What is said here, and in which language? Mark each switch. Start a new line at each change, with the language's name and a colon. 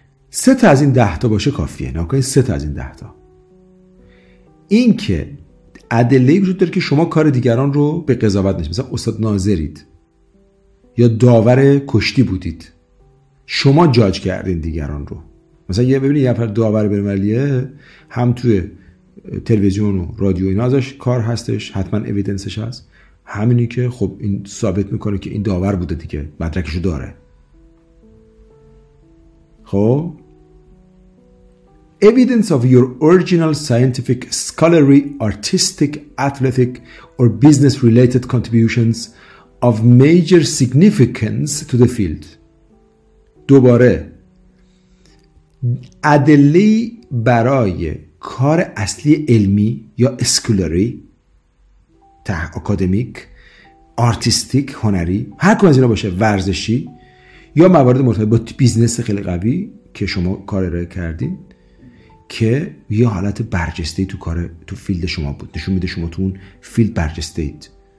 Persian: سه تا از این 10 باشه کافیه. ناگهان 3 تا از این 10 این که ادله وجود داره که شما کار دیگران رو به قضاوت نشید، مثلا استاد ناظرید یا داور کشتی بودید، شما جاج کردین دیگران رو. مثلا یه ببینید یه نفر داور بین‌المللیه، هم توی تلویزیون و رادیو اینا ازش کار هستش، حتما اویدنسش هست، همینی که خب این ثابت میکنه که این داور بوده دیگه، مدرکشو داره.
English: خب evidence of your original scientific, scholarly, artistic, athletic or business related contributions of major significance to the field.
Persian: دوباره ادله برای کار اصلی علمی یا scholarly، اکادمیک، آرتیستیک، هنری، هر کدوم از اینا باشه، ورزشی یا موارد مرتبط با بیزنس خیلی قوی که شما کار ارائه کردین که یه حالت برجسته‌ای تو کار تو فیلد شما بود، نشون میده شما تو اون فیلد برجسته اید،